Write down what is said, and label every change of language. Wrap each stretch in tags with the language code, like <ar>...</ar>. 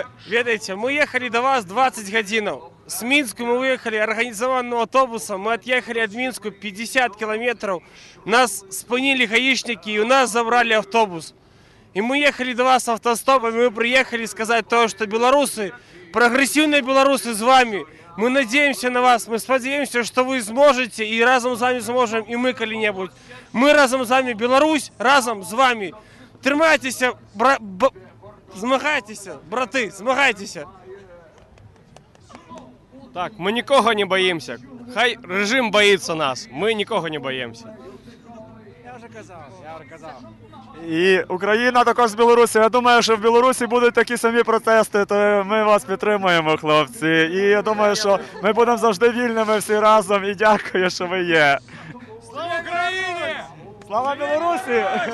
<uk>Видаєте, ми їхали до вас 20 годин. З Мінську ми виїхали організованим автобусом. Ми від'їхали від Мінську 50 кілометрів. Нас спинили гаїшники і у нас забрали автобус. І ми їхали до вас автостопом. Ми приїхали сказати, що білоруси, прогресивні білоруси з вами.</uk> <ru>Мы надеемся на вас, мы надеемся, что вы сможете, и разом с вами сможем, и мы когда-нибудь. Мы разом с вами, Беларусь, разом с вами.</ru> <uk>Тримайтеся, змагайтеся, брати, змагайтеся.</uk> <ru>Так, мы никого не боимся. Хай режим боится нас, мы никого не боимся.</ru> <uk>І Україна також з Білорусі. Я думаю, що в Білорусі будуть такі самі протести, то ми вас підтримуємо, хлопці. І я думаю, що ми будемо завжди вільними всі разом. І дякую, що ви є. Слава Україні! Слава Білорусі!</uk>